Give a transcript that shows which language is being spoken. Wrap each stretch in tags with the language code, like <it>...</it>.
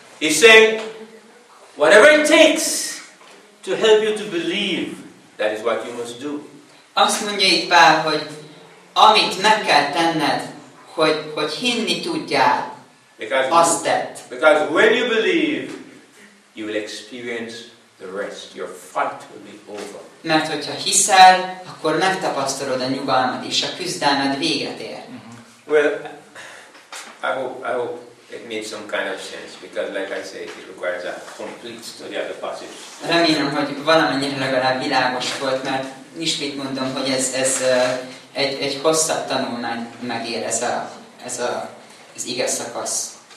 <en>He's saying, whatever it takes to help you to believe, that is what you must do.</en> <hu>Azt mondja itt Pál, hogy amit meg kell tenned, hogy hinni tudjál, azt tett.</hu> <en>Because when you believe, you will experience the rest, your fight will be over.</en> <hu>Mert hogyha hiszel, akkor megtapasztalod a nyugalmat és a küzdelmed véget ér.</hu> <en>Mm-hmm. Well, I hope it made some kind of sense, because like I say, it requires a complete study of the passage.</en> <hu>Remélem, hogy valamennyire legalább világos volt, mert ismét mondom, hogy ez egy hosszabb tanulmány megér ez az ige szakasz.</hu>